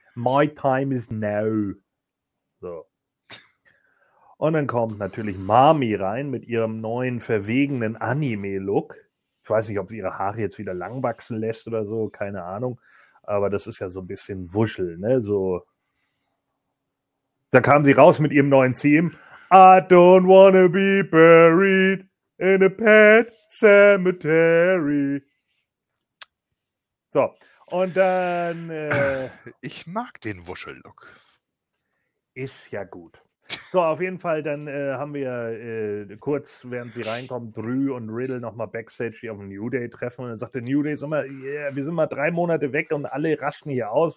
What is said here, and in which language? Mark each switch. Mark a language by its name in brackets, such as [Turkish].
[English] My time is now. [German] So. Und dann kommt natürlich Mami rein mit ihrem neuen verwegenen Anime-Look. Ich weiß nicht, ob sie ihre Haare jetzt wieder lang wachsen lässt oder so, keine Ahnung. Aber das ist ja so ein bisschen Wuschel, ne? So. Da kam sie raus mit ihrem neuen Team. [English] I don't wanna be buried in a pet cemetery. [German] So, und dann... Ich mag den Wuschel-Look. Ist ja gut. So, auf jeden Fall, dann haben wir kurz, während sie reinkommen, Drew und Riddle nochmal Backstage hier auf dem New Day treffen. Und dann sagt der New Day, wir sind mal 3 Monate weg und alle rasten hier aus.